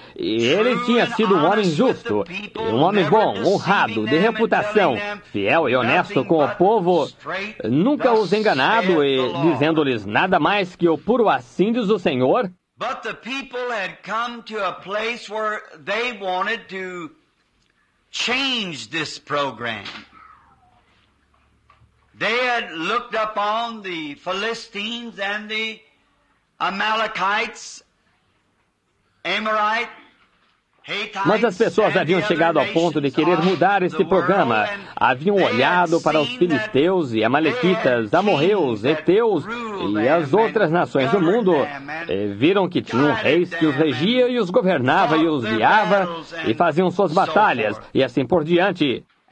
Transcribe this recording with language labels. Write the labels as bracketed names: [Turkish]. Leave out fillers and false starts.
[Portuguese] E ele tinha sido um homem justo, um homem bom, honrado, de reputação, fiel e honesto com o povo, nunca os enganado e dizendo-lhes nada mais que o puro assim diz o Senhor. Mas o povo tinha chegado a um lugar onde eles queriam mudar esse programa. [English] They had looked upon the Philistines and the Amalekites, Amorites. [Portuguese] Mas as pessoas haviam chegado ao ponto de querer mudar este programa. Haviam olhado para os filisteus e amalequitas, amorreus, heteus e as outras nações do mundo. E viram que tinham reis que os regia e os governava e os guiava e faziam suas batalhas e assim por diante.